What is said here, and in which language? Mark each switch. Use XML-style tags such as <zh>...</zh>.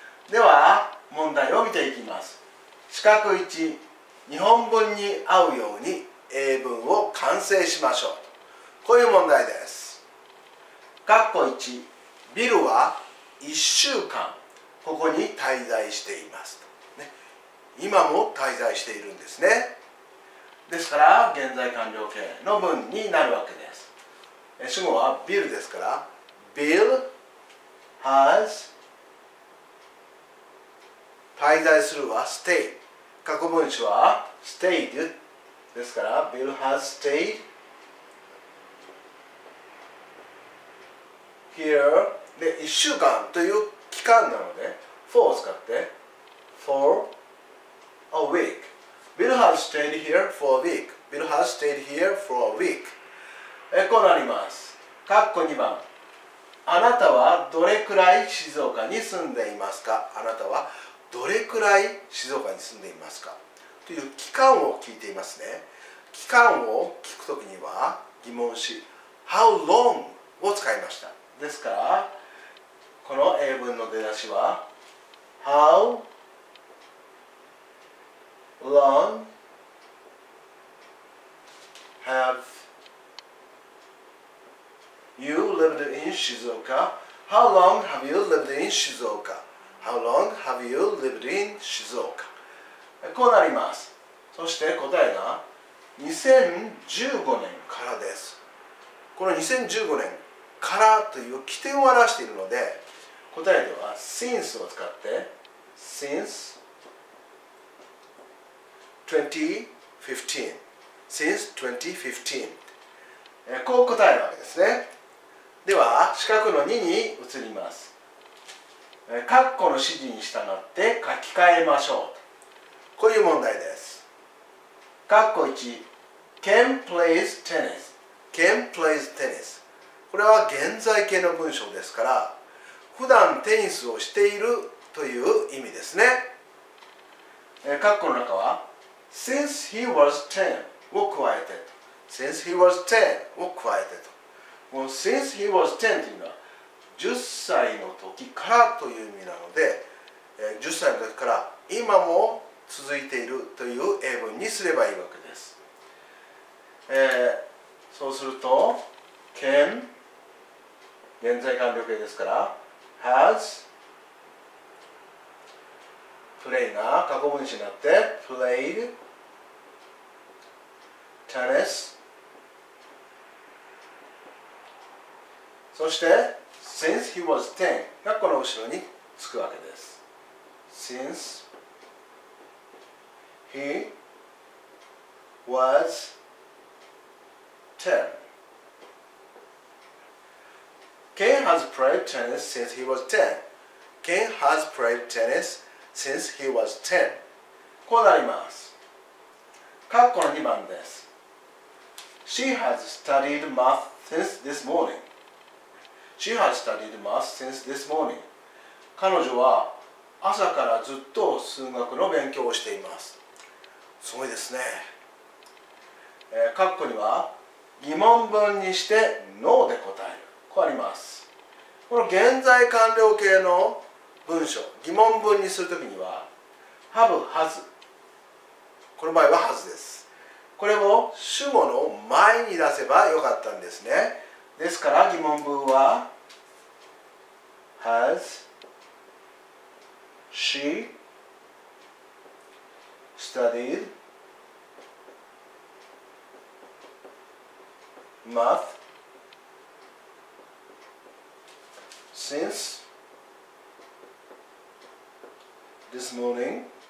<ja>では問題を見ていきます。四角1、日本文に合うように英文を完成しましょう、こういう問題です。括弧1、ビルは1週間ここに滞在しています、ね、今も滞在しているんですね。ですから現在完了形の文になるわけです。主語はビルですから、 Bill has 滞在するは stay、 過去分詞は stayed ですから、</ja> <en>Bill has stayed here</en> <ja>で1週間という期間なので、</ja> <en>for</en> <ja>を使って</ja> <en>for a week、 Bill has stayed here for a week、 Bill has stayed here for a week、</en> <ja>こうなります。括弧2番、あなたはどれくらい静岡に住んでいますか、あなたはどれくらい静岡に住んでいますかという期間を聞いていますね。期間を聞くときには疑問詞 How long を使いました。ですからこの英文の出だしは</ja> <en>How long haveYou lived in Shizuoka. How long have you lived in Shizuoka? How long have you lived in Shizuoka?</en> <ja>こうなります。そして答えが2015年からです。この2015年からという起点を表しているので、答えでは since を使って</ja> <en>since 2015 since 2015、</en> <ja>こう答えるわけですね。では四角の2に移ります。括弧の指示に従って書き換えましょう、こういう問題です。括弧1、</ja> <en>Ken plays tennis。 Ken plays tennis、</en> <ja>これは現在形の文章ですから、普段テニスをしているという意味ですね。括弧の中は</ja> <en>Since he was 10</en> <ja>を加えてと、 Since he was 10を加えてと、Since he was 10というのは10歳の時からという意味なので、10歳の時から今も続いているという英文にすればいいわけです。そうすると can 現在完了形ですから</ja> <en>has play</en> <ja>が過去分詞になって</ja> <en>played tennis</en> <ja>そして</ja> <en>since he was 10</en> <ja>がこの後ろにつくわけです。</ja> <en>since he was 10 Ken has played tennis since he was 10 Ken has played tennis since he was 10、</en> <ja>こうなります。括弧の2番です。</ja> <en>She has studied math since this morningShe has studied math since this morning.</en> <ja>彼女は朝からずっと数学の勉強をしています。すごいですね。括弧には疑問文にして No で答える。こうあります。この現在完了形の文章、疑問文にするときには Have, has。この場合は has です。これを主語の前に出せばよかったんですね。ですから疑問文は</ja> <en>Has she studied math since this morning?</en>